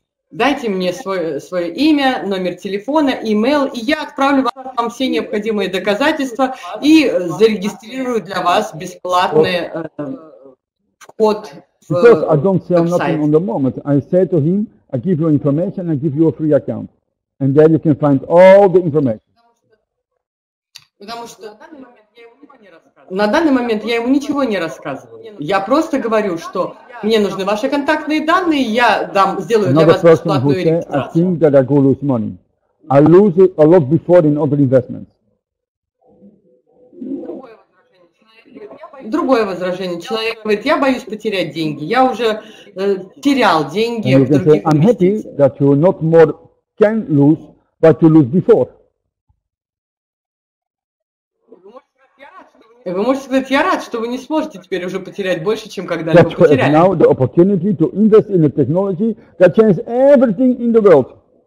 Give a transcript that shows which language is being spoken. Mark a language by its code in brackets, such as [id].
[ru] Дайте мне свое имя, номер телефона, email, и я отправлю вам все необходимые доказательства и зарегистрирую для вас бесплатный вход. [en] Because I don't sell nothing on the moment. I say to him, I give you information, I give you a free account. And there you can find all the information. [ru] На данный момент я ему ничего не рассказываю. Я просто говорю, что мне нужны ваши контактные данные, я дам, сделаю [en] Another [ru] для вас бесплатную регистрацию. [en] I think that I go lose money. I lose it a lot before in other investments. [ru] Другое возражение. Человек говорит, я боюсь потерять деньги. Я уже терял деньги в других [en] I'm happy that you not more can lose, but you lose before. [ru] Вы можете сказать, я рад, что вы не сможете теперь уже потерять больше, чем когда-либо [en] That's [ru] потеряли. [en] That's now the opportunity to invest in a technology that changes everything in the world.